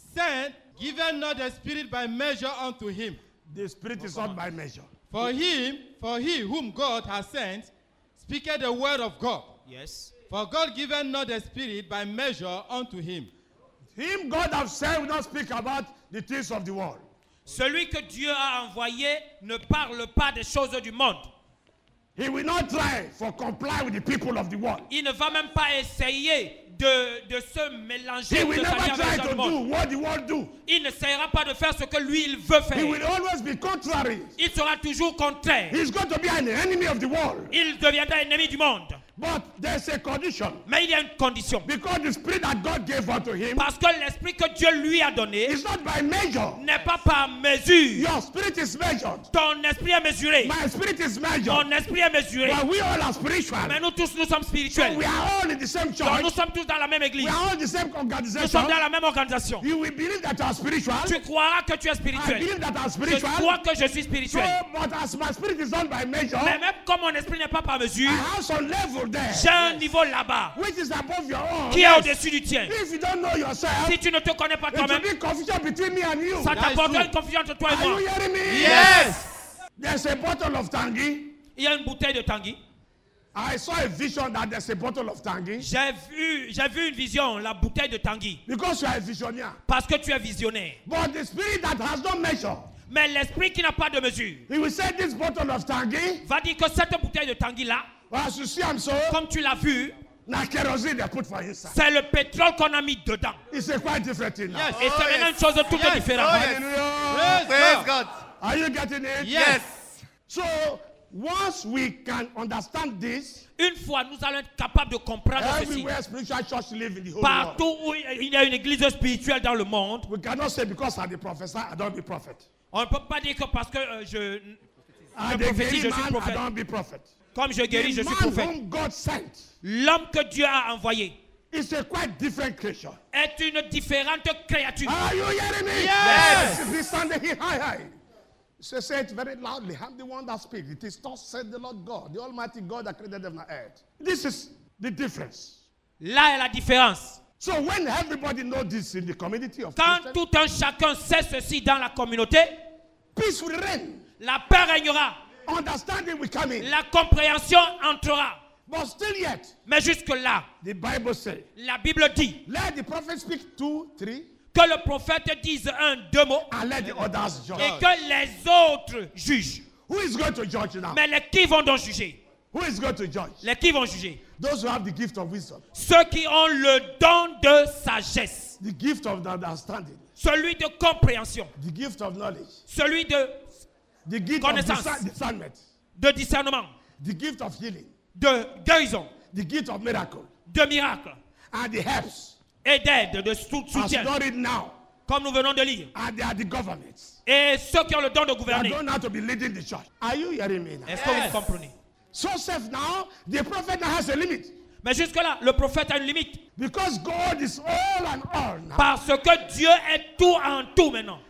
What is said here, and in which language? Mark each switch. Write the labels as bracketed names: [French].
[English] sent, given not the spirit by measure unto him. The spirit is not by measure. For he whom God has sent, speaketh the word of God. Yes. For God giveth not the spirit by measure unto him. Him God has sent will not speak about the things of the world. [French] Celui que Dieu a envoyé ne parle pas des choses du monde. [English] He will not try for comply with the people of the world. [French] Il ne va même pas essayer de se mélanger. [English] He will never try to do what the world do. [French] Il n'essayera pas de faire ce que lui il veut faire. [English] He will always be contrary. [French] Il sera toujours contraire. [English] He is going to be an enemy of the world. [French] Il deviendra ennemi du monde. [English] But there's a condition. [French] Mais il y a une condition. [English] Because the spirit that God gave unto him. [French] Parce que l'esprit que Dieu lui a donné. [English] Is not by measure. [French] N'est pas par mesure. [English] Your spirit is measured. [French] Ton esprit est mesuré. [English] My spirit is measured. [French] Ton esprit est mesuré. [English] But we all are spiritual. [French] Mais nous tous sommes spirituels. [English] So we are all in the same church. [French] Donc nous sommes tous dans la même église. [English] We are all in the same organization. [French] Nous sommes dans la même organisation. [English] You will believe that you are spiritual. [French] Tu croiras que tu es spirituel. [English] I believe that I'm spiritual. [French] Je crois que je suis spirituel. [English] So, but as my spirit is not by measure. [French] Mais même comme mon esprit n'est pas par mesure. [English] I have some level. [French] J'ai un niveau là-bas [English] which is above your own, [French] qui [English] yes. [French] est au-dessus du tien. [English] If you don't know yourself, [French] si tu ne te connais pas toi-même, [English] be confusion between me and you. [French] Ça t'apporte une confusion entre toi et moi. [English] Are you hearing me? Yes. There's a bottle of Tangi. [French] Il y a une bouteille de Tangi. [English] I saw a vision that there's a bottle of Tangi. [French] J'ai vu une vision, la bouteille de Tangi. [English] Because you are a visionnaire. [French] Parce que tu es visionnaire. [English] But the spirit that has no measure. [French] Mais l'esprit qui n'a pas de mesure. [English] He will say this bottle of Tangi. [French] Va dire que cette bouteille de Tangi là. [English] As you see, I'm so, [French] comme tu l'as vu, la kérosine [English] they put for inside. [French] C'est le pétrole qu'on a mis dedans. [English] It's a quite different thing now. Yes. [French] Et c'est maintenant une chose tout à fait différente. [English] Yes. Hallelujah. Yes. Praise God. Are you getting it? Yes. So once we can understand this, [French] une fois nous allons être capables de comprendre [English] everywhere [French] ceci. [English] Spiritual church live in the whole [French] partout [English] world. [French] Où il y a une église spirituelle dans le monde. [English] We cannot say because I'm the professor, I don't be prophet. [French] On ne peut pas dire que parce que je ne prophétise, je suis prophète. [English] I don't be prophet. [French] Comme je guéris, [English] the [French] je suis prophète. [English] Whom God sent, [French] l'homme que Dieu a envoyé [English] is a quite different creature. [French] Est une différente créature. [English] Are you hearing me? Yes. He standing here high, high. So say it very loudly. I'm the one that speaks. It is thus said the Lord God, the Almighty God that created heaven and earth. This is the difference. [French] Là est la différence. [English] So when everybody knows this in the community of [French] quand tout un chacun sait ceci dans la communauté, [English] peace will reign. [French] La paix régnera. [English] Understanding will come in. [French] La compréhension entrera. [English] But still yet, [French] mais jusque là, [English] the Bible say, [French] la Bible dit, [English] let the prophet speak two, three, [French] que le prophète dise un, deux mots, [English] and let the others judge. [French] Et que les autres jugent. [English] Who is going to judge now? [French] Mais les qui vont donc juger? [English] Who is going to judge? [French] Les qui vont juger? [English] Those who have the gift of wisdom. [French] Ceux qui ont le don de sagesse. [English] The gift of understanding. [French] Celui de compréhension. [English] The gift of knowledge. [French] Celui de [English] the gift [French] connaissance, [English] of discernment, [French] de discernement, [English] the gift of healing, [French] de guérison, [English] the gift of miracle, [French] de miracle, [English] and the helps, [French] et d'aide, de soutien, [English] as noted now, [French] comme nous venons de lire, [English] and they are the governments, [French] et ceux qui ont le don de gouverner, [English] they don't have to be leading the church. Are you hearing me now? [French] Est-ce que vous comprenez? [English] So safe now, the prophet has a limit. [French] Mais jusque là, le prophète a une limite. [English] Because God is all and all now. [French] Parce que Dieu est tout en tout maintenant.